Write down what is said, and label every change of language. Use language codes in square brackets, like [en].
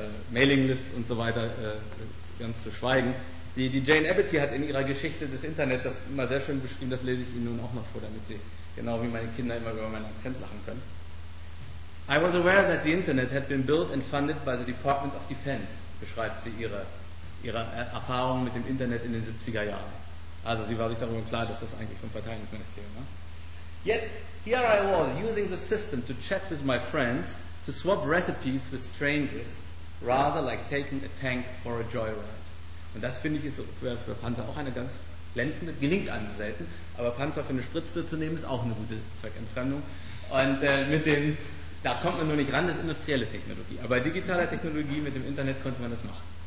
[de] Mailinglist und so weiter ganz zu schweigen. Die Jane Abbott hat in ihrer Geschichte des Internets das mal sehr schön beschrieben, das lese ich Ihnen nun auch noch vor, damit Sie genau wie meine Kinder immer über meinen Akzent lachen können. [en] I was aware that the Internet had been built and funded by the Department of Defense, [de] beschreibt sie ihre Erfahrung mit dem Internet in den 70er Jahren. Also sie war sich darüber klar, dass das eigentlich vom Verteidigungsministerium war. [en] Yet, here I was, using the system to chat with my friends, to swap recipes with strangers, rather like taking a tank for a joyride. [de] Und das finde ich ist für Panzer auch eine ganz glänzende, gelingt einem selten, aber Panzer für eine Spritze zu nehmen, ist auch eine gute Zweckentfremdung. Und mit dem, da kommt man nur nicht ran, das ist industrielle Technologie. Aber digitale Technologie mit dem Internet konnte man das machen.